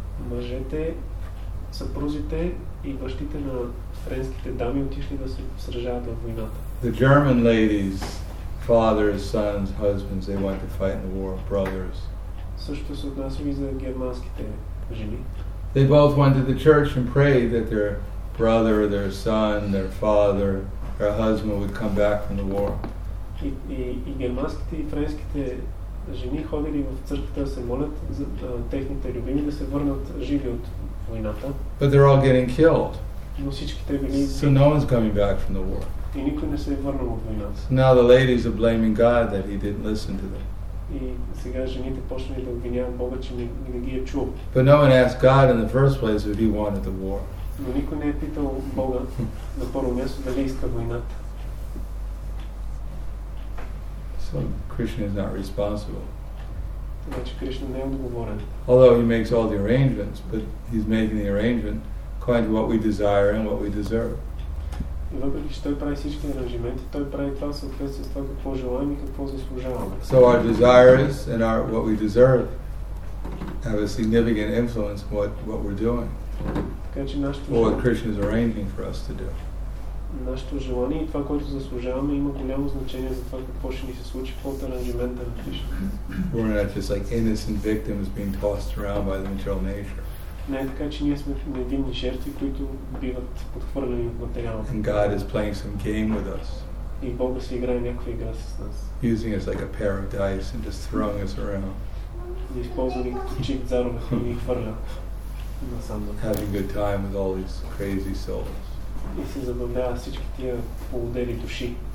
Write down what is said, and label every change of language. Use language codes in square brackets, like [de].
[bg] Мъжете, съпрузите и бащите на френските дами отишли да се сражават във войната. [en] The German ladies, fathers, sons, husbands, they went to fight in the war, brothers. [bg] Също се отнася и за германските жени. [en] They both went to the church and prayed that their brother, their son, their father, their husband would come back from the war. [bg] И германските и френските жени ходили в църквата да се молят за техните любими да се върнат живи от войната. [en] But they're all getting killed. [bg] Но всички те били. [en] So no one's coming back from the war. [bg] И никой не се е върнал от войната. [en] So now the ladies are blaming God that he didn't listen to them. [bg] И сега жените почнали да обвиняват Бога, че не ги е чул. [en] But no one asked God in the first place if he wanted the war. [bg] Но никой не е питал Бога на първо място дали иска войната. [en] So Krishna is not responsible. [bg] Значи Кришна не е отговорен. [en] Although he makes all the arrangements, but he's making the arrangement according to what we desire and what we deserve. [bg] И въпреки че той прави всички аранжименти, той прави това в съответствие с това какво желаем и какво заслужаваме. [en] So our desires and our what we deserve have a significant influence on what we're doing. [bg] Така че нашето желание, [en] what Krishna is arranging for us to do. [bg] нашето желание и това, което заслужаваме, има голямо значение за това какво ще ни се случи под аранжимента на Кришна. Не е така, че ние сме невинни жертви, които биват подхвърлени от материала. [en] And God is playing some game with us. [bg] И Бог си играе някаква игра с нас. [en] Using us like a pair of dice and just throwing us around. [bg] Използвани като чип зарове и ни хвърля насам. [en] Having a good time with all these crazy souls. [bg] И се забавлява всички тия полудели души.